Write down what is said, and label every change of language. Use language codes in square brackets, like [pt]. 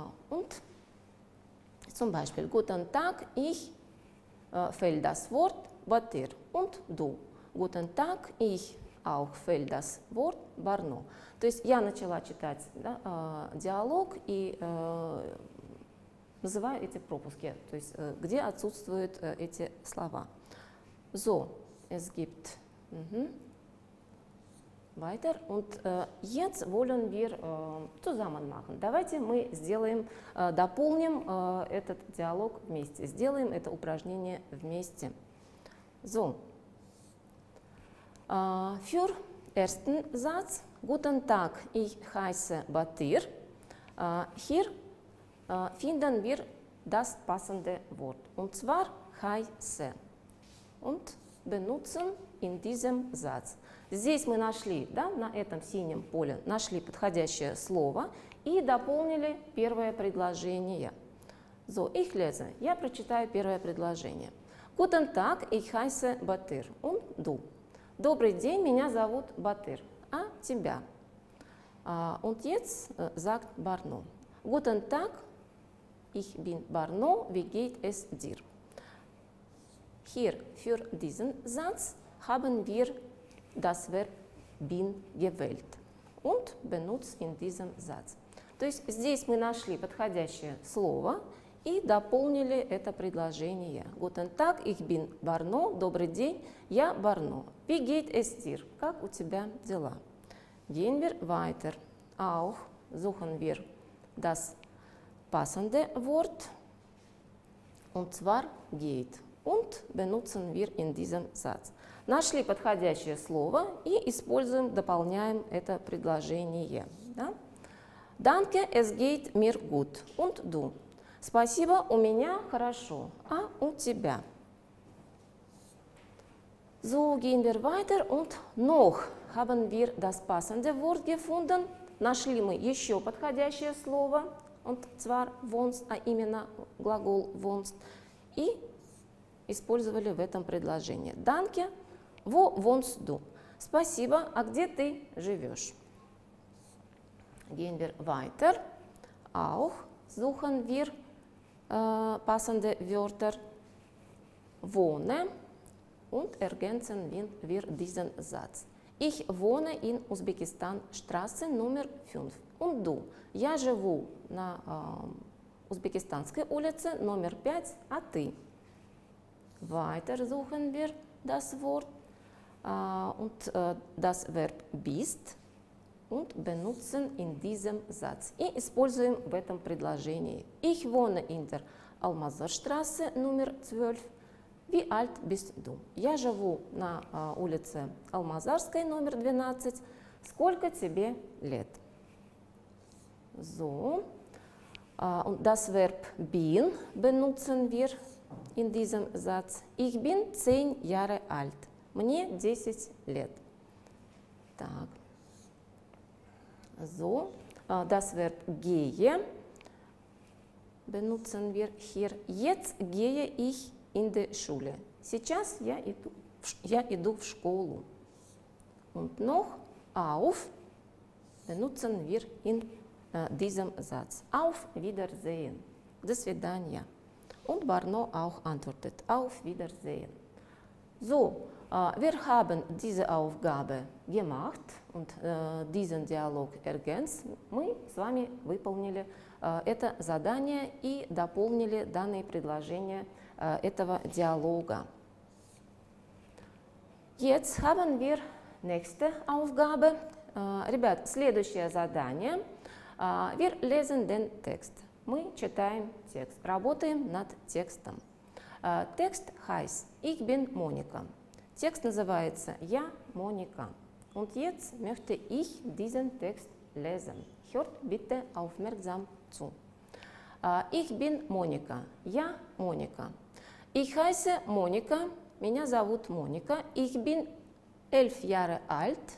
[de] Und zum Beispiel, guten Tag, ich fällt das Wort Batir und du. Guten Tag, ich auch fällt das Wort Barno. [ru] То есть я начала читать, да, диалог и называю эти пропуски, то есть где отсутствуют эти слова. [de] So, es gibt weiter und jetzt wollen wir zusammen machen. [ru] Давайте мы сделаем, дополним этот диалог вместе, сделаем это упражнение вместе. [de] So, für ersten Satz, guten Tag, ich heiße Batir. Hier finden wir das passende Wort, und zwar heiße, und benutzen in diesem Satz. [ru] Здесь мы нашли, да, на этом синем поле, нашли подходящее слово и дополнили первое предложение. [de] So, ich lese. [ru] Я прочитаю первое предложение. [de] Guten Tag, ich heiße Batir. Und du? [ru] Добрый день, меня зовут Батыр. А тебя? [de] Und jetzt sagt Barno. Guten Tag, ich bin Barno. Wie geht es dir? Hier, für diesen Satz haben wir das Verb bin gewählt und benutzt in diesem Satz. [ru] То есть здесь мы нашли подходящее слово и дополнили это предложение. [de] Guten Tag, ich bin Barno. [ru] Добрый день, я Барно. [de] Wie geht es dir? [ru] Как у тебя дела? [de] Gehen wir weiter. Auch suchen wir das passende Wort. Und zwar geht. Und benutzen wir in diesem Satz. [ru] Нашли подходящее слово и используем, дополняем это предложение. Да? [de] Danke, es geht mir gut. Und du? [ru] Спасибо, у меня хорошо. А у тебя? [de] So gehen wir weiter und noch haben wir das passende Wort gefunden. [ru] Нашли мы еще подходящее слово. [de] Und zwar wohnst, [ru] а именно глагол [de] wohnst. [ru] И использовали в этом предложении. [de] Danke, wo wohnst du? [ru] Спасибо, а где ты живешь? [de] Gehen wir weiter. Auch suchen wir passende Wörter. Wohne. Und ergänzen wir diesen Satz. Ich wohne in Usbekistan, Straße Nummer 5. Und du? [ru] Я живу на Узбекистанской улице, номер 5, а ты? [de] Weiter suchen wir das Wort. Und das Verb bist. Und benutzen in diesem Satz. И используем в этом предложении. Ich wohne in der Almazarstraße, Nummer 12. Wie alt bist du? [ru] Я живу на улице Алмазарской, номер 12. Сколько тебе лет? So. [de] Und das Verb bin benutzen wir in diesem Satz. Ich bin 10 Jahre alt. [ru] Мне 10 лет. Так. [de] So. Das Verb gehe benutzen wir hier. Jetzt gehe ich in der Schule. [ru] Сейчас я иду в школу. [de] Und noch auf benutzen wir in diesem Satz. Auf Wiedersehen. [ru] До свидания. [de] Und Barno auch antwortet. Auf Wiedersehen. So, wir haben diese Aufgabe gemacht und diesen Dialog ergänzt. [ru] Мы с вами выполнили это задание и дополнили данные предложения этого диалога. [de] Jetzt haben wir nächste Aufgabe. [ru] Ребят, следующее задание. [de] Wir lesen den Text. [ru] Мы читаем текст, работаем над текстом. Текст [de] heißt Ich bin Monika. [ru] Текст называется Я Моника. [de] Und jetzt möchte ich diesen Text lesen. Hört bitte aufmerksam zu. Ich bin Monika. [ru] Я Моника. [de] Ich heiße Monika. [ru] Меня зовут Моника. [de] Ich bin 11 Jahre alt.